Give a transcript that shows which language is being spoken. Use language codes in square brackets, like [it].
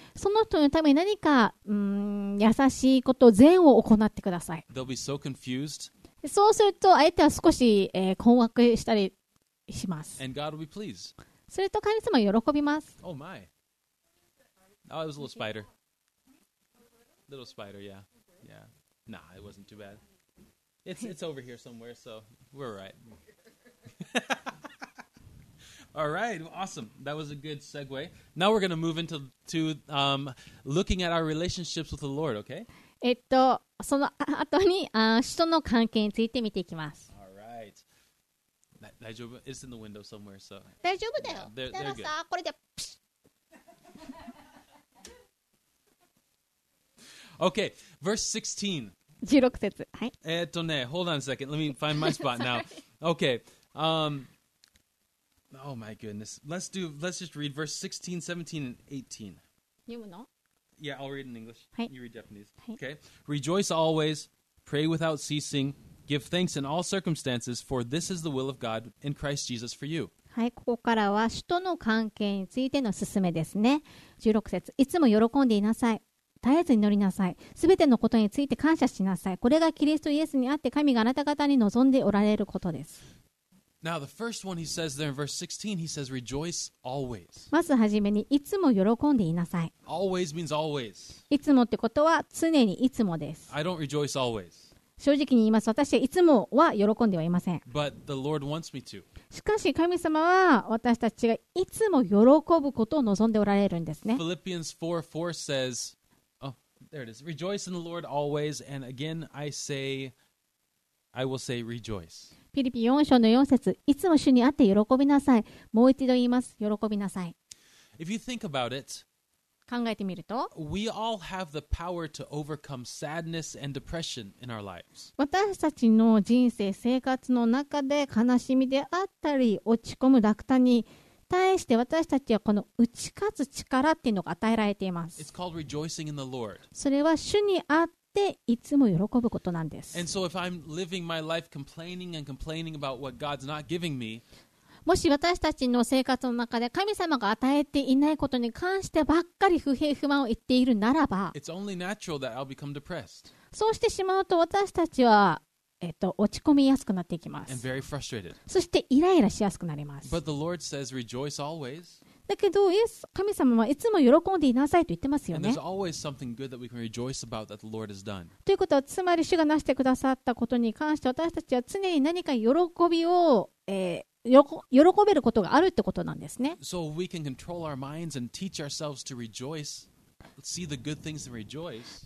[ja] その人のために何か優しいこと、善を行ってください。 [en] They'll be so confused. [ja] そうすると相手は少し、困惑したりします。 [en] And God will be pleased. [ja] すると神様は喜びます。 [en] Oh my. Oh, it was a little spider. Little spider, yeah. Yeah. Nah, it wasn't too bad. It's over here somewhere, so we're right. All right, awesome. That was a good segue. Now we're going to move into to, looking at our relationships with the Lord, okay? [ja] その後に、人の関係について見ていきます。大丈夫? [en] It's in the window somewhere, so. [ja] 大丈夫だよ。だからさ、これでプシッ。 [en] Okay, verse 16. [ja] 16節。はい。 [en] ね、hold on a second. Let me find my spot now. Okay. Oh my goodness. Let's just read verse 16, 17, and 18. [ja] 読むの? [en] Yeah, I'll read in English. [ja] はい。 [en] You read Japanese. [ja] はい。 [en] Okay. Rejoice always. Pray without ceasing. Give thanks in all circumstances, for this is the will of God in Christ Jesus for you. [ja] はい、ここからは主との関係についての勧めですね。 16節、いつも喜んでいなさい。絶えず祈りなさい。すべてのことについて感謝しなさい。これがキリストイエスにあって神があなた方に望んでおられることです。 [en] Now, the first one he says there in verse 16, he says, rejoice always. [ja] まずはじめに、いつも喜んでいなさい。 [en] Always means always. [ja] いつもってことは、常にいつもです。 [en] I don't rejoice always. [ja] 正直に言います。私はいつもは喜んではいません。 [en] But the Lord wants me to. [ja] しかし神様は私たちがいつも喜ぶことを望んでおられるんですね。 [en] Philippians 4:4 says, oh, there it is. Rejoice in the Lord always, and again I will say rejoice. [ja] フィリピ4章の4節、いつも主にあって喜びなさい。もう一度言います。喜びなさい。 [en] If you think about it, [ja] 考えてみると、 [en] We all have the power to overcome sadness and depression in our lives. [ja] 私たちの人生生活の中で悲しみであったり落ち込む落胆に対して私たちはこの打ち勝つ力っていうのが与えられています。 [en] It's called rejoicing in the Lord. [ja] それは主にあっていつも喜ぶことなんです。 [en] And so if I'm living my life complaining and complaining about what God's not giving me, [ja] もし私たちの生活の中で神様が与えていないことに関してばっかり不平不満を言っているならば、 [en] It's only natural that I'll become depressed. [ja] そうしてしまうと私たちは、落ち込みやすくなっていきます。 [en] And very frustrated. [ja] そしてイライラしやすくなります。 [en] But the Lord says, rejoice always. [ja] だけど、神様はいつも喜んでいなさいと言ってますよね。 [en] And there's always something good that we can rejoice about that the Lord has done. [ja] ということは、つまり主がなしてくださったことに関して私たちは常に何か喜びを、喜べることがあるってことなんですね。 [en] So we can control our minds and teach ourselves to rejoice, see the good things and rejoice.